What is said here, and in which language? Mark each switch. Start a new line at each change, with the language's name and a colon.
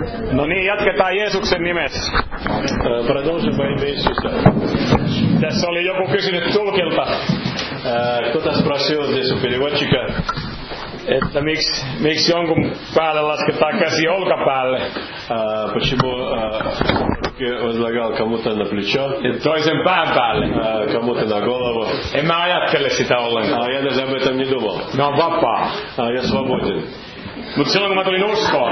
Finnish: No niin, jatketaan Jeesuksen nimessä.
Russian: Продолжим во имя Иисуса.
Finnish: Tässä oli joku kysynyt tulkilta.
Russian: Кто-то спросил здесь у переводчика.
Finnish: Että miksi jonkun päälle lasketaan käsi olkapäälle?
Russian: Почему возлагал кому-то на плечо?
Finnish: Toisen pään päälle.
Russian: Кому-то на голову.
Finnish: En mä ajattele sitä ollenkaan.
Russian: Я даже об этом не думал.
Finnish: Mä oon vapaa.
Russian: Я свободен.
Finnish: Mut silloin kun mä tulin uskoon.